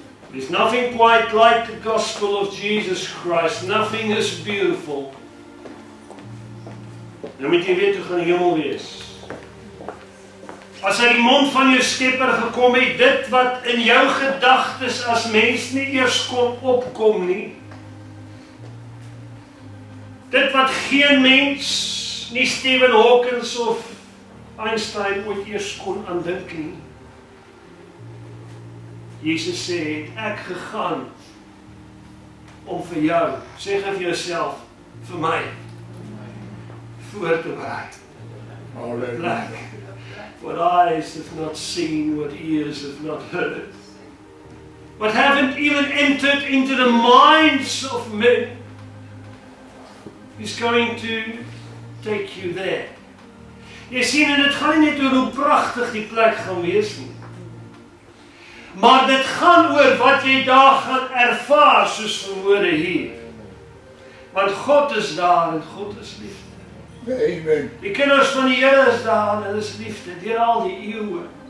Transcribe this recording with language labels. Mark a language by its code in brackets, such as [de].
[en] There's nothing quite like the gospel of Jesus Christ. Nothing is beautiful. [af] Nou moet jy weet hoe gaan die hemel wees. As uit die mond van jou skepper gekom het, dit wat in jou gedagtes as mens nie eers kon opkom nie. Dit wat geen mens, nie Stephen Hawkins of Einstein ooit eers kon aandink nie. Jesus sê, het ek gegaan om vir jou, sê gij vir jouself, vir my, voor te bereid. Alleluia. [en] What eyes have not seen, what ears have not heard, what haven't even entered into the minds of men, is going to take you there. [af] Jy sien, en het gaan nie net oor hoe prachtig die plek gaan wees nie, maar dit gaan oor wat jy daar gaan ervaar, soos verwoorde hier. Want God is daar en God is liefde. Amen. Die kinders van die Here is daar en hulle is liefde, deur al die eeuwe.